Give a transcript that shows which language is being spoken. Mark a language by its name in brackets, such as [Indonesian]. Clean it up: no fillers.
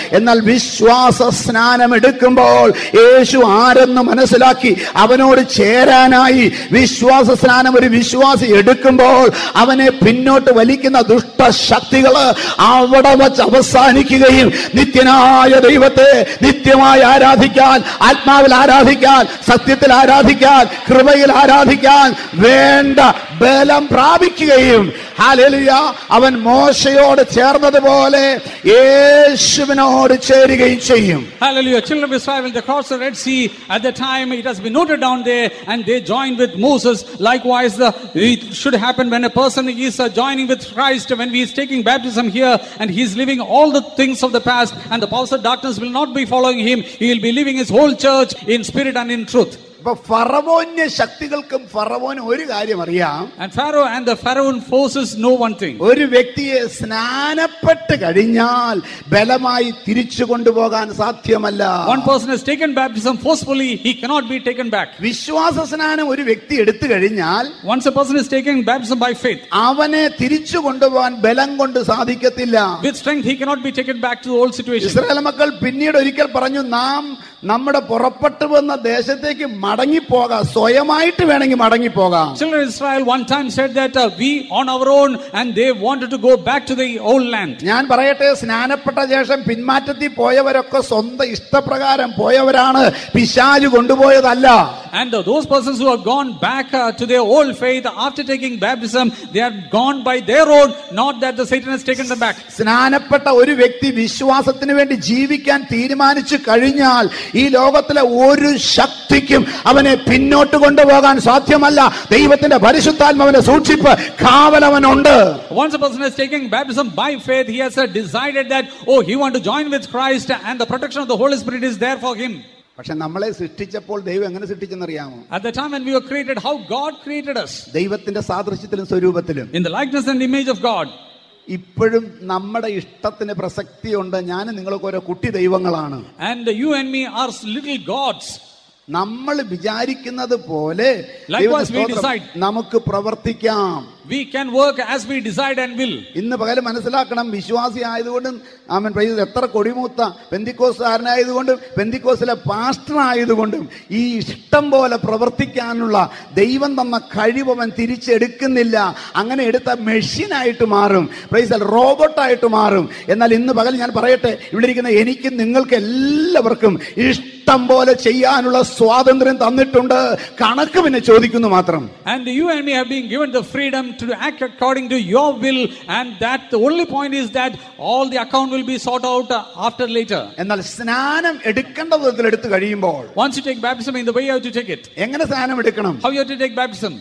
[Malayalam] എന്നാൽ വിശ്വാസ സ്നാനം എടുക്കുമ്പോൾ യേശു ആരെന്ന് മനസ്സിലാക്കി അവനോട് ചേരാനായി വിശ്വാസ സ്നാനം ഒരു വിശ്വാസി എടുക്കുമ്പോൾ അവനെ പിന്നോട്ട് വലിക്കുന്ന ദുഷ്ടശക്തികള് അവിടെ വച്ച് അവസാനിക്കുകയും നിത്യനായ ദൈവത്തെ നിത്യമായി ആരാധിക്കാൻ, ആത്മാവിൽ ആരാധിക്കാൻ, സത്യത്തിൽ ആരാധിക്കാൻ, കൃപയിൽ ആരാധിക്കാൻ വേണ്ട ബലം പ്രാപിക്കുകയും ഹല്ലേലൂയ അവൻ മോശയോട് ചേർന്നതുപോലെ യേശുവിനോട് ചേരുകയും ചെയ്യും. Hallelujah. [English] Children of Israel, they crossed the Red Sea. At the time it has been noted down there, and they joined with Moses. Likewise, it should happen when a person is joining with Christ, when he is taking baptism here, and he is leaving all the things of the past, and the powers of darkness will not be following him. He will be leaving his whole church in spirit and in truth. [Malayalam] ഇപ്പൊ ഫറവോന്റെ ശക്തികൾക്കും ഫറവോനും ഒരു കാര്യം അറിയാം. [English] And Pharaoh and the Pharaoh forces know one thing. [Malayalam] ഒരു വ്യക്തിയെ സ്നാനപ്പെട്ട് കഴിഞ്ഞാൽ ബലമായി തിരിച്ചു കൊണ്ടുപോകാൻ സാധ്യമല്ല. [English] One person has taken baptism forcefully, he cannot be taken back. [Malayalam] വിശ്വാസ സ്നാനം ഒരു വ്യക്തി എടുത്തു കഴിഞ്ഞാൽ, [English] once a person is taken baptism by faith, [Malayalam] അവനെ തിരിച്ചു കൊണ്ടുപോകാൻ ബലം കൊണ്ട് സാധിക്കത്തില്ല. [English] With strength he cannot be taken back to the old situation. [Malayalam] Israel മക്കൾ പിന്നീട് ഒരിക്കൽ പറഞ്ഞു, നാം നമ്മുടെ പുറപ്പെട്ടു വന്ന ദേശത്തേക്ക് മടങ്ങി പോകാം, സ്വയമായിട്ട് വേണമെങ്കിൽ മടങ്ങി പോകാം. [English] Children of Israel one time said that we on our own, and they wanted to go back to the old land. [Malayalam] ഞാൻ പറയട്ടെ, സ്നാനപ്പെട്ട ശേഷം പിന്മാറ്റത്തിൽ പോയവരൊക്കെ സ്വന്തം ഇഷ്ടപ്രകാരം പോയവരാണ്, പിശാച് കൊണ്ടുപോയതല്ല. [English] And those persons who have gone back to their old faith after taking baptism, they have gone by their own, not that the Satan has taken them back. [Malayalam] സ്നാനപ്പെട്ട ഒരു വ്യക്തി വിശ്വാസത്തിന് വേണ്ടി ജീവിക്കാൻ തീരുമാനിച്ചു കഴിഞ്ഞാൽ ഈ ലോകത്തിലെ ഒരു ശക്തിക്കും അവനെ പിന്നോട്ട് കൊണ്ടുപോകാൻ സാധ്യമല്ല. ദൈവത്തിന്റെ പരിശുദ്ധാത്മാവിന്റെ സൂക്ഷിപ്പ് കാവലവനുണ്ട്. [English] Once a person has taken baptism by faith, he has decided that he want to join with Christ, and the protection of the Holy Spirit is there for him. [Malayalam] പക്ഷെ നമ്മളെ സൃഷ്ടിച്ചപ്പോൾ ദൈവം എങ്ങനെ സൃഷ്ടിച്ചെന്ന് അറിയാമോ? [English] At the time when we were created, how God created us. [Malayalam] ദൈവത്തിന്റെ സാദൃശ്യത്തിലും സ്വരൂപത്തിലും. [English] In the likeness and image of God. [Malayalam] ഇപ്പോഴും നമ്മുടെ ഇഷ്ടത്തിന് പ്രസക്തിയുണ്ട്. ഞാനും നിങ്ങളൊക്കെ ഓരോ കുട്ടി ദൈവങ്ങളാണ്. [English] And you and me are little gods. [Malayalam] നമ്മൾ വിചാരിക്കുന്നത് പോലെ നമുക്ക് പ്രവർത്തിക്കാം. [English] We can work as we decide and will. [Malayalam] ഇന്നു പകല് മനസ്സിലാക്കണം, വിശ്വാസി ആയതുകൊണ്ടും ആമൻ പ്രൈസ് എത്ര കൊടിമൂത്ത പെന്തിക്കോസ്തുകാരനായതുകൊണ്ടും പെന്തിക്കോസ്തിലെ പാസ്റ്റർ ആയതുകൊണ്ടും ഈ ഇഷ്ടം പോലെ പ്രവർത്തിക്കാനുള്ള ദൈവം തന്ന കഴിവ് അവൻ തിരിച്ചെടുക്കുന്നില്ല. അങ്ങനെ എടുത്ത മെഷീനായിട്ട് മാറും, പ്രൈസ് റോബോട്ടായിട്ട് മാറും. എന്നാൽ ഇന്ന് പകൽ ഞാൻ പറയട്ടെ, ഇവിടെ ഇരിക്കുന്ന എനിക്കും നിങ്ങൾക്ക് എല്ലാവർക്കും ഇഷ്ടം പോലെ ചെയ്യാനുള്ള സ്വാതന്ത്ര്യം തന്നിട്ടുണ്ട്. കണക്ക് പിന്നെ ചോദിക്കുന്നു മാത്രം. [English] And you and me have been given the freedom to act according to your will, and that the only point is that all the account will be sorted out after later. [Malayalam] എന്നാൽ സ്നാനം എടുക്കേണ്ട വിധത്തിൽ എടുത്തു കഴിയുമ്പോൾ, [English] once you take baptism in the way you have to take it, [Malayalam] എങ്ങനെ സ്നാനം എടുക്കണം, [English] how you have to take baptism,